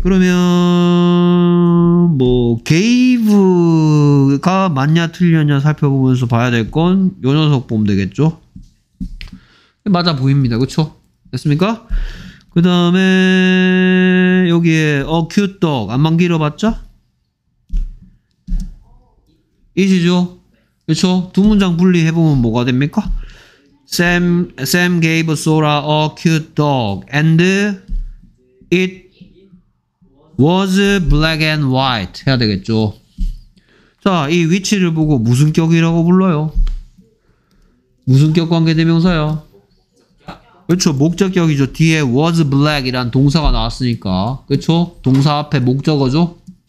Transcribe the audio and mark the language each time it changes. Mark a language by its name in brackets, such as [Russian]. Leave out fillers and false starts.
[Korean] 그러면 뭐 gave가 맞냐 틀렸냐 살펴보면서 봐야 될 건 요 녀석 보면 되겠죠. 맞아 보입니다. 그렇죠? 됐습니까? 그 다음에 여기에 어 cute dog 안만 길어봤죠? 이시죠? 그렇죠? 두 문장 분리해보면 뭐가 됩니까? [English] Sam gave Sora a cute dog and it was black and white [Korean] 해야 되겠죠. 자, 이 위치를 보고 무슨 격이라고 불러요? 무슨 격 관계대명사요? 그렇죠. 목적격이죠. 뒤에 was black 이란 동사가 나왔으니까. 그렇죠? 동사 앞에 목적어죠.